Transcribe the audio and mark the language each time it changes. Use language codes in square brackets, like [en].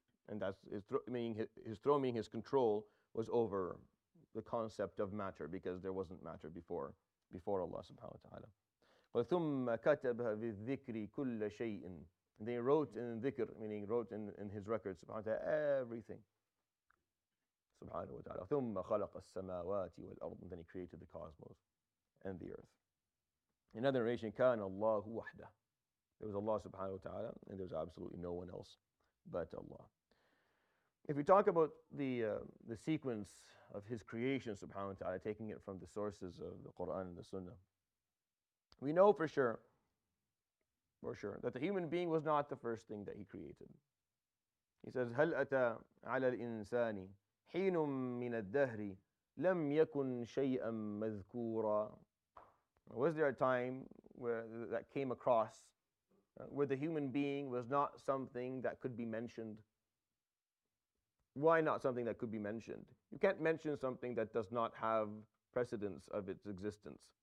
[en] And that's his throne, meaning his control, was over the concept of matter, because there wasn't matter before Allah subhanahu wa ta'ala. [ar] وَثُمَّ كَتَبَ بِالذِّكْرِ كُلَّ شَيْءٍ. [en] And they wrote in dhikr, meaning wrote in his records, subhanahu wa ta'ala, everything. [ar] Subhanahu wa ta'ala. ثُمَّ خَلَقَ السَّمَاوَاتِ وَالْأَرْضِ. [en] And then he created the cosmos and the earth. Another narration, [ar] كَانَ اللَّهُ وَحْدَهُ. [en] It was Allah subhanahu wa ta'ala, and there's absolutely no one else but Allah. If we talk about the sequence of his creation, subhanahu wa ta'ala, taking it from the sources of the Qur'an and the Sunnah, we know for sure, that the human being was not the first thing that he created. He says, [ar] هَلْ أَتَى عَلَى الْإِنسَانِ حِينٌ مِّنَ الدَّهْرِ لَمْ يَكُنْ شَيْئًا مَذْكُورًا. [en] Was there a time where that came across where the human being was not something that could be mentioned? Why not something that could be mentioned? You can't mention something that does not have precedence of its existence.